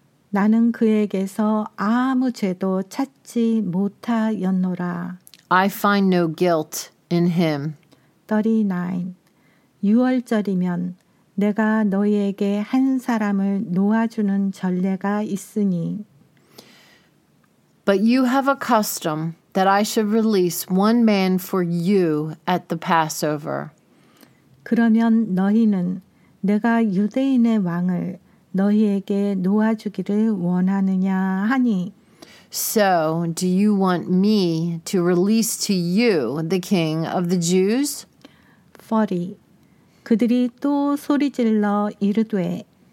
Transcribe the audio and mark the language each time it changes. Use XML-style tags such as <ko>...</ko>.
<ko>나는 그에게서 아무 죄도 찾지 못하였노라.</ko> <en>I find no guilt in him.</en> <ko>39. 유월절이면 내가 너희에게 한 사람을 놓아주는 전례가 있으니.</ko> <en>But you have a custom that I should release one man for you at the Passover.</en> <ko>그러면 너희는 내가 유대인의 왕을 너희에게 놓아주기를 원하느냐 하니.</ko> <en>So, do you want me to release to you the king of the Jews?</en> <ko>40. 그들이 또 소리질러 이르되.</ko>